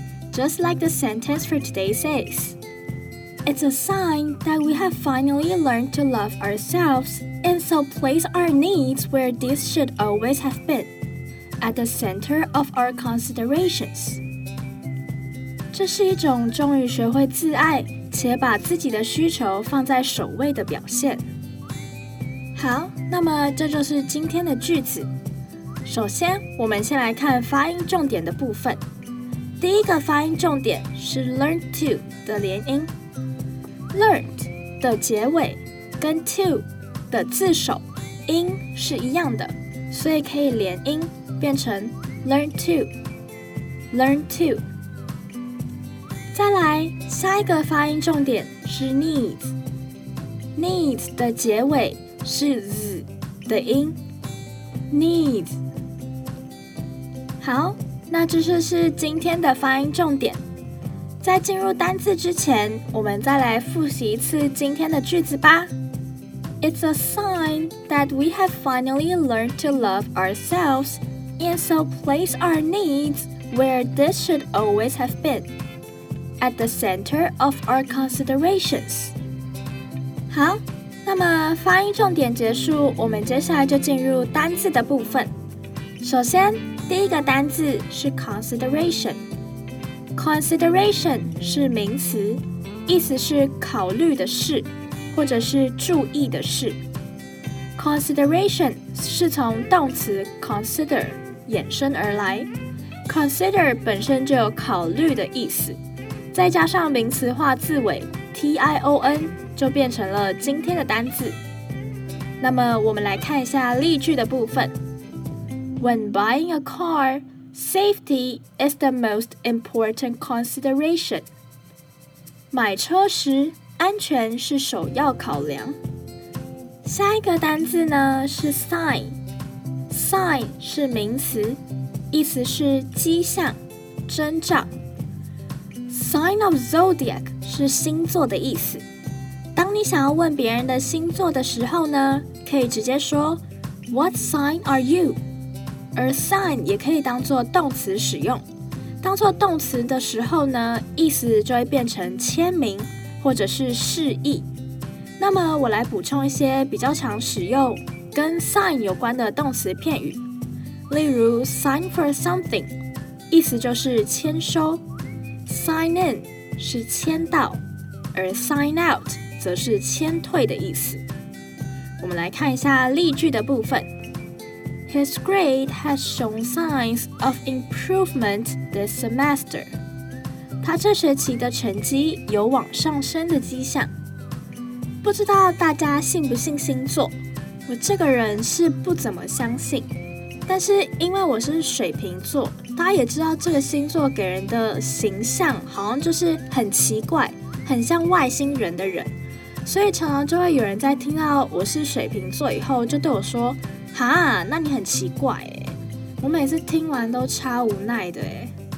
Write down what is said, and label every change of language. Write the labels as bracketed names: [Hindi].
[English] Just like the sentence for today says, it's a sign that we have finally learned to love ourselves and so place our needs where these should always have been, at the center of our considerations. [Chinese] 这是一种终于学会自爱且把自己的需求放在首位的表现。好，那么这就是今天的句子。首先，我们先来看发音重点的部分。第一个发音重点是 learn to 的连音， learned 的结尾跟 to 的字首音是一样的，所以可以连音变成 [English] learn to learn to。 [Chinese] 再来，下一个发音重点是 needs， needs 的结尾是 z 的音， needs。好，那这就是今天的发音重点。在进入单字之前，我们再来复习一次今天的句子吧。 [English] It's a sign that we have finally learned to love ourselves and so place our needs where this should always have been, at the center of our considerations. [Chinese] 好，那么发音重点结束，我们接下来就进入单字的部分。首先，第一个单字是 consideration， consideration 是名词，意思是考虑的事或者是注意的事。 consideration 是从动词 consider 衍生而来， consider 本身就有考虑的意思，再加上名词化字尾 tion 就变成了今天的单字。那么我们来看一下例句的部分。 [English] When buying a car, safety is the most important consideration. [Chinese] 买车时，安全是首要考量。下一个单字呢是 sign。sign 是名词，意思是迹象、征兆。 [English] sign of zodiac [Chinese] 是星座的意思。当你想要问别人的星座的时候呢，可以直接说 [English] What sign are you? [Chinese] 而 sign 也可以当作动词使用，当作动词的时候呢，意思就会变成签名或者是示意。那么我来补充一些比较常使用跟 sign 有关的动词片语，例如 sign for something 意思就是签收， sign in 是签到，而 sign out 则是签退的意思。我们来看一下例句的部分。 [English] His grade has shown signs of improvement this semester. [Chinese] 他这学期的成绩有往上升的迹象。不知道大家信不信星座？我这个人是不怎么相信，但是因为我是水瓶座，大家也知道这个星座给人的形象好像就是很奇怪，很像外星人的人，所以常常就会有人在听到我是水瓶座以后就对我说，哈，那你很奇怪耶，我每次听完都超无奈的耶。